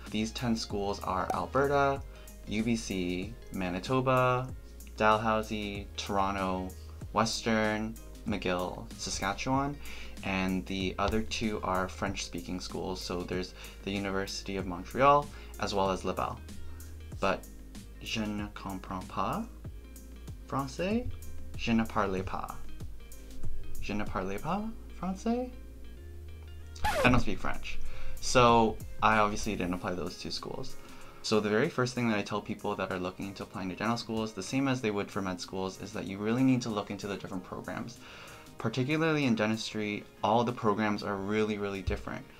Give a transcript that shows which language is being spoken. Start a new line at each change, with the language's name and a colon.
English: These 10 schools are Alberta, UBC, Manitoba, Dalhousie, Toronto, Western, McGill, Saskatchewan, and the other two are French-speaking schools. So there's the University of Montreal, as well as Laval.
French: But je ne comprends pas français, je ne parle pas. Je ne parle pas français?
English: I don't speak French. So I obviously didn't apply to those two schools. So the very first thing that I tell people that are looking into applying to dental schools, the same as they would for med schools, is that you really need to look into the different programs. Particularly in dentistry, all the programs are really, really different.